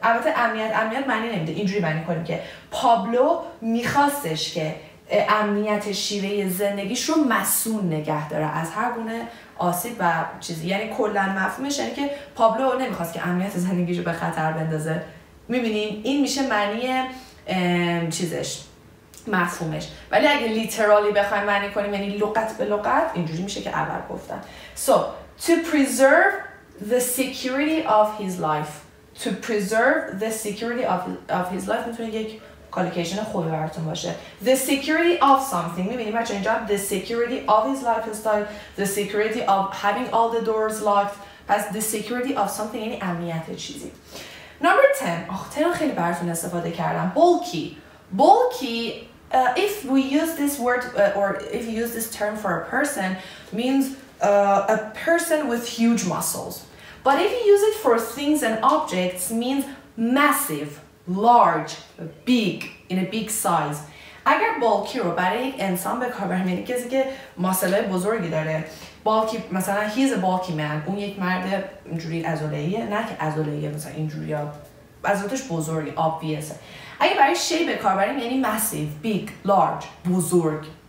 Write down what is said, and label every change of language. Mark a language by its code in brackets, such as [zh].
[fa] البته امنیت معنی نمیده، اینجوری معنی کنیم که پابلو میخواستش که امنیت شیوه زندگیش رو مسئول نگه داره از هر گونه آسیب و چیزی، یعنی کلن مفهومش اینه که پابلو نمیخواست که امنیت زندگیش رو به خطر بندازه. میبینین این میشه معنی چیزش، مفهومش. ولی اگه لیترالی بخوایم معنی کنیم، یعنی لغت به لغت، اینجوری میشه که اول گفتن. [en] So to preserve the security of his life. To preserve the security of his life [fa] میتونه یک کالوکیشن خوبی براتون باشه. [en] The security of something. [fa] میبینیم بچه اینجا [en] the security of his lifestyle. The security of having all the doors locked. پس the security of something [fa] یعنی امنیت چیزی. [en] Number 10. [fa] تن خیلی براتون استفاده کردم. [en] Bulky. If we use this word or if you use this term for a person, means a person with huge muscles. But if you use it for things and objects, means massive, large, big, in a big size. [fa] اگر bulky رو برای انسان به کار برمیاری، کسی که ماسلای بزرگی داره، bulky مثلا [en] he is a bulky man، [fa] اون یک مرد اینجوری عضلاییه، نه که عضلاییه مثلا اینجوری، عضلاتش بزرگی obvious. اگه برای shape کار بریم یعنی massive, big, large، بزرگ.